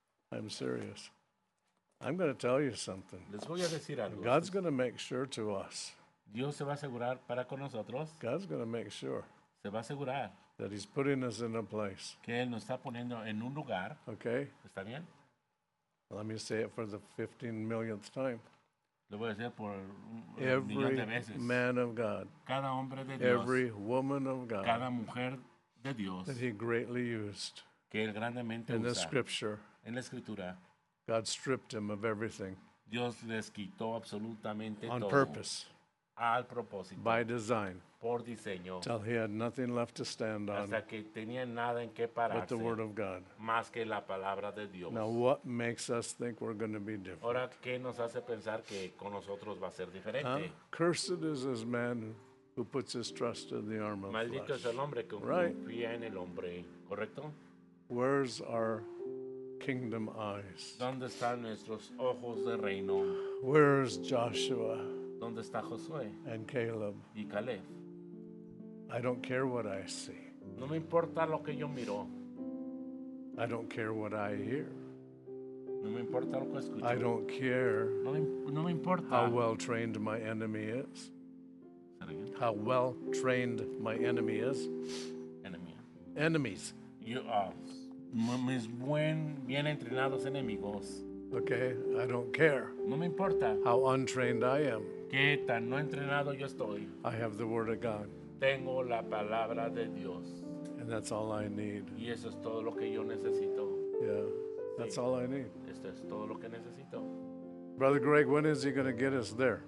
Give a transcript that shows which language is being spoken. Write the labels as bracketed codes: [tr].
[en] I'm serious. I'm going to tell you something. [es] Les voy a decir algo. [en] God's going to make sure to us. [es] Dios se va a asegurar para con nosotros. [en] God's going to make sure. [es] Se va a asegurar. [en] That he's putting us in a place. [es] Que él nos está poniendo en un lugar. [en] Okay. [es] ¿Está bien? [en] Let me say it for the 15 millionth time. [es] Lo voy a decir por [en] every [es] millón de veces. [en] Man of God. [es] Cada hombre de Dios. [en] Every woman of God. [es] Cada mujer de Dios. [en] That he greatly used. [es] Que él grandemente [en] in [es] usa. [en] In the scripture. [es] En la escritura. [en] God stripped him of everything. [es] Dios les quitó absolutamente [en] on [es] todo. [en] On purpose. [es] Al propósito. [en] By design. [es] Por diseño. [en] Till he had nothing left to stand on. [es] Hasta que tenía nada en qué pararse. [en] But the word of God. [es] Más que la palabra de Dios. [en] Now what makes us think we're going to be different? [es] Ahora, ¿qué nos hace pensar que con nosotros va a ser diferente? [en] Cursed is this man who puts his trust in the arm of [es] Maldito [en] flesh. [es] Maldito es el hombre que confía en el hombre. ¿Correcto? [en] Where's our kingdom eyes? [es] ¿Dónde están nuestros ojos de reino? [en] Where's Joshua? [es] ¿Dónde está Josué? [en] And Caleb. [es] Y Caleb. [en] I don't care what I see. [es] No me importa lo que yo miro. [en] I don't care what I hear. [es] No me importa lo que escucho. [en] I don't care [es] no me importa [en] how well trained my enemy is. How well trained my enemy is. Enemy. Enemies. You are. [es] mis buen, bien entrenados enemigos. [en] Okay, I don't care. [es] No me importa. [en] How untrained I am. [es] Qué tan no entrenado yo estoy. [en] I have the word of God. [es] Tengo la palabra de Dios. [en] And that's all I need. [es] Y eso es todo lo que yo necesito. [en] Yeah, that's all I need. [es] Esto es todo lo que necesito. [en] Brother Greg, when is he going to get us there?